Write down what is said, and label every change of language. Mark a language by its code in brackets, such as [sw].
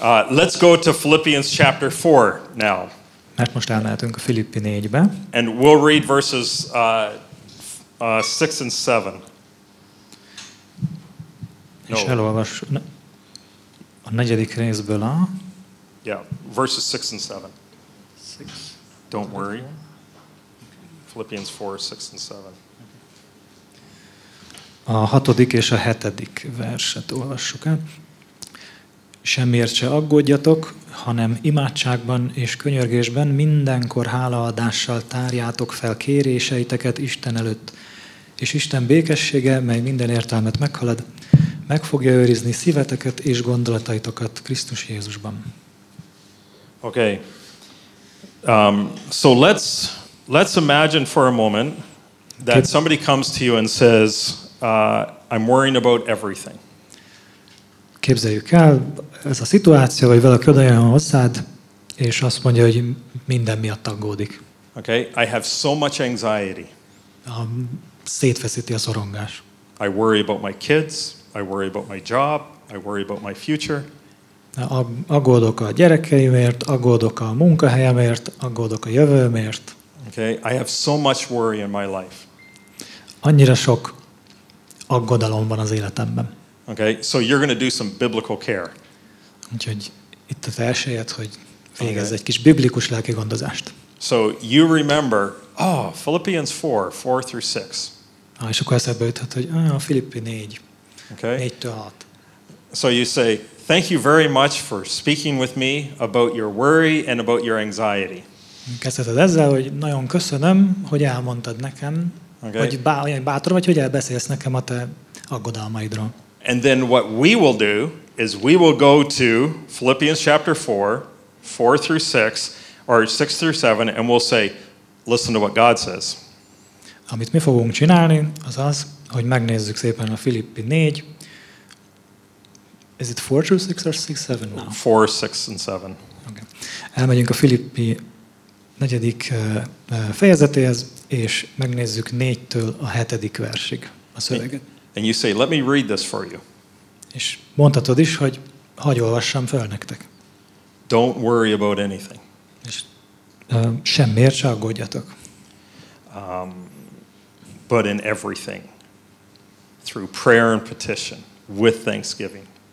[en] Let's go to Philippians chapter 4 now. [hu] Mert most elmehetünk a Filippi 4-be. [en] And we'll read verses 6 and 7. [hu] És elolvas... A negyedik részből a... [en] Yeah, verses 6 and 7. Don't worry. Philippians 4, 6 and 7. [hu] A hatodik és a hetedik verset olvassuk el. Semmiért se aggódjatok, hanem imádságban és könyörgésben mindenkor hálaadással tárjátok fel kéréseiteket Isten előtt. És Isten békessége, mely minden értelmet meghalad, meg fogja őrizni szíveteket és gondolataitokat Krisztus Jézusban. Okay. [en] So let's imagine for a moment that somebody comes to you and says, I'm worrying about everything. [hu] Képzeljük el, ez a szituáció, hogy valaki odajön hozzád, és azt mondja, hogy minden miatt aggódik. [en] Okay, I have so much anxiety. [hu] Szétfeszíti a szorongás. [en] I worry about my kids. I worry about my job, I worry about my future. [hu] Aggódok a gyerekeimért, aggódok a munkahelyemért, aggódok a jövőmért. [en] Okay, I have so much worry in my life. [hu] Annyira sok aggodalom van az életemben. [en] Okay, so you're going to do some biblical care. [hu] Úgyhogy itt a felsejed, hogy végezz egy kis biblikus lelkigondozást. [en] So you remember, Philippians 4, 4 through 6. [hu] És akkor eszedbe jutott, hogy a Filippi 4. [en] Okay. So you say, thank you very much for speaking with me about your worry and about your anxiety. [hu] Kezdheted ezzel, hogy nagyon köszönöm, hogy elmondtad nekem, hogy bátor vagy, hogy elbeszélsz nekem a te aggodalmaidról. [en] And then what we will do is we will go to Philippians chapter 4, 4 through 6, or 6 through 7, and we'll say, listen to what God says. [hu] Amit mi fogunk csinálni, az az, hogy megnézzük szépen a Filippi 4. [en] Is it 4 through 6 or 6, 7 now? 4, 6 and 7. [hu] Okay. Elmegyünk a Filippi 4. fejezetéhez, és megnézzük 4-től a 7. versig a szöveget. [en] And you say, let me read this for you. [hu] És mondhatod is, hogy hagy olvassam fel nektek. [en] Don't worry about anything. [hu] És semmiért se aggódjatok. [en] But in everything. Through prayer and petition, with thanksgiving.